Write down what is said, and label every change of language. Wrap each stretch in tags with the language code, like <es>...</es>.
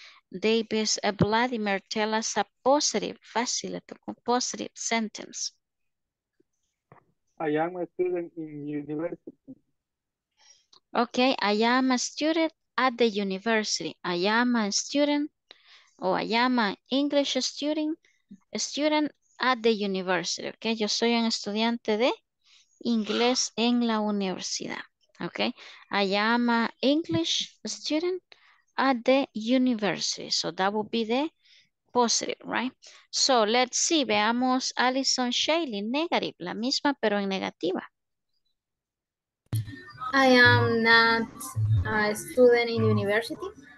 <en>Davis Vladimir, tell us a positive, fácil, positive sentence. I am a student in university. Okay, I am a student at the university. I am a student. Oh, I am an English student at the university, okay?</en> <es>Yo soy un estudiante de inglés en la universidad, okay?</es> <en>I am an English student at the university. So that would be the positive, right? So let's see, veamos Allison Shaley, negative,</en> <es>la misma pero en negativa.</es> <en>I am not a student in university.</en>